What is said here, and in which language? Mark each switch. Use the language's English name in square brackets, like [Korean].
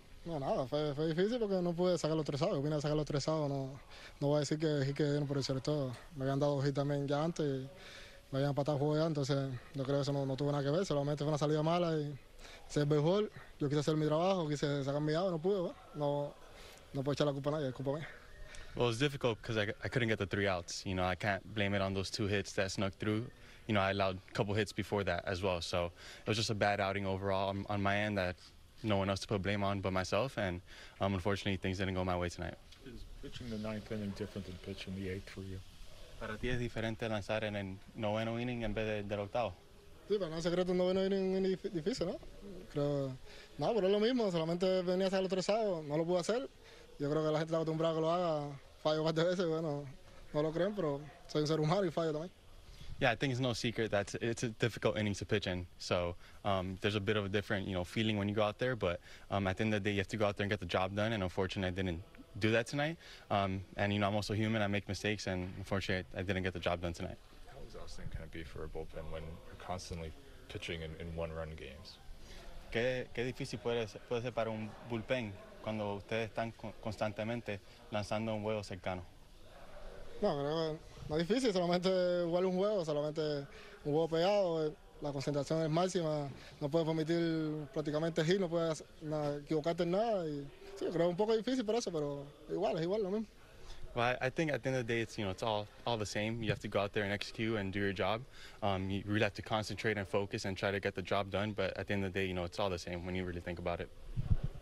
[Spanish] No, nada, fue difícil porque no pude sacar los tres outs. Vine a sacar los tres outs, no voy a decir que hit que dieron por el cierto. Me habían dado hit también ya antes y me habían empatado el juego ya, entonces yo creo que eso no tuvo nada que ver, solamente fue una salida mala y ser mejor, yo quise hacer mi trabajo, quise sacar mi out, no pude, no puedo echar la culpa a nadie, es culpa mía. [English] Well, it's difficult because I couldn't get the three outs. You know, I can't blame it on those two hits that snuck through. You know, I allowed a couple hits before that as well. So it was just a bad outing overall on my end that no one else to put blame on but myself. And unfortunately, things didn't go my way tonight. Is pitching the ninth inning different than pitching the eighth for you? [Spanish] Para ti es diferente lanzar en el noveno inning en vez del octavo. Sí, pero no es secreto, el noveno inning es difícil, ¿no? Creo, no, pero es lo mismo. Solamente venía a hacer el otro sábado, no lo pude hacer. Yo creo que la gente está acostumbrada a que lo haga, fallo varias veces, bueno, no lo creen, pero soy un ser humano y fallo también. [English] Yeah, I think it's no secret that it's a difficult inning to pitch in. So there's a bit of a different, you know, feeling when you go out there. But at the end of the day, you have to go out there and get the job done. And unfortunately, I didn't do that tonight. And, you know, I'm also human. I make mistakes. And unfortunately, I didn't get the job done tonight. How exhausting can it be for a bullpen when you're constantly pitching in one-run games? [Spanish] ¿Qué difícil puede ser para un bullpen cuando ustedes están constantemente lanzando un juego cercano? No, creo que no es difícil, solamente jugar un juego, solamente un juego pegado, la concentración es máxima, no puedes permitir prácticamente hit, no puedes equivocarte en nada, y sí, creo que es un poco difícil por eso, pero igual, es igual, lo mismo. [English] Well, I think at the end of the day, it's, you know, it's all the same. You have to go out there and execute and do your job. You really have to concentrate and focus and try to get the job done, but at the end of the day, you know, it's all the same when you really think about it.